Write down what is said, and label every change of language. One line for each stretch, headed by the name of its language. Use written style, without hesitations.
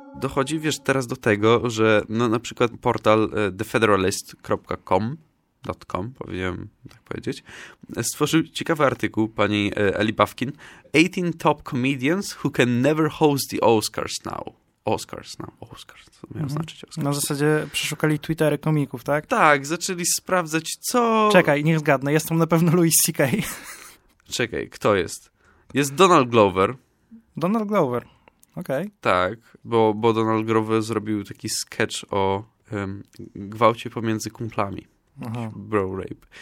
Polish: Chodzi, wiesz, teraz do tego, że no, na przykład portal thefederalist.com, powinienem tak powiedzieć, stworzył ciekawy artykuł pani Ellie Bufkin.
English: 18 top comedians who can never host the Oscars now.
Polish: Oscars, co to miało znaczyć? Oscars. Na zasadzie przeszukali Twittery komików, tak? Tak, zaczęli sprawdzać, co... Czekaj, niech zgadnę, jestem na pewno Louis C.K. Czekaj, kto jest? Jest Donald Glover. Donald Glover. Okay. Tak, bo Donald Glover zrobił taki sketch o gwałcie pomiędzy kumplami. Bro rape.